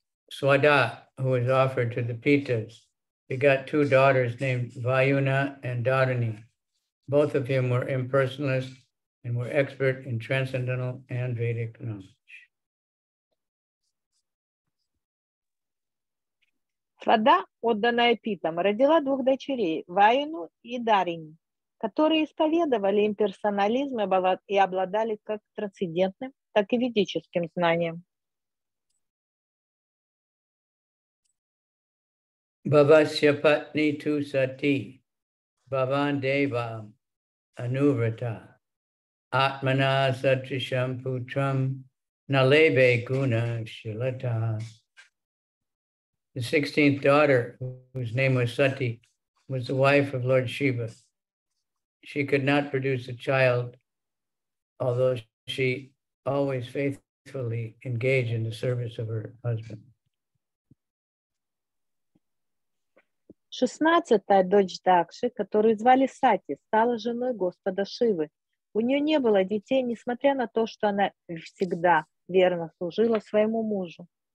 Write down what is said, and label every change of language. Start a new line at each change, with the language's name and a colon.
English: Свада, who was offered to the Pitas, begot two daughters named Vayuna and Dharani, both of whom were impersonalists and were expert in transcendental and Vedic knowledge.
Russian: Свада, отданная Питам, родила двух дочерей, Ваюну и Дарини, которые исповедовали имперсонализм и обладали как трансцендентным, так и ведическим знанием.
Sanskrit: Бавасья патни ту сати, баван девам ануврата, атмана сатришам путрам налебе гуна шилата.
English: The 16th daughter, whose name was Sati, was the wife of Lord Shiva. She could not produce a child, although she always faithfully engaged in the service of her husband.
Russian: 16-я дочь Дакши, которую звали Сати, стала женой Господа Шивы. У нее не было детей, несмотря на то, что она всегда верно служила своему мужу.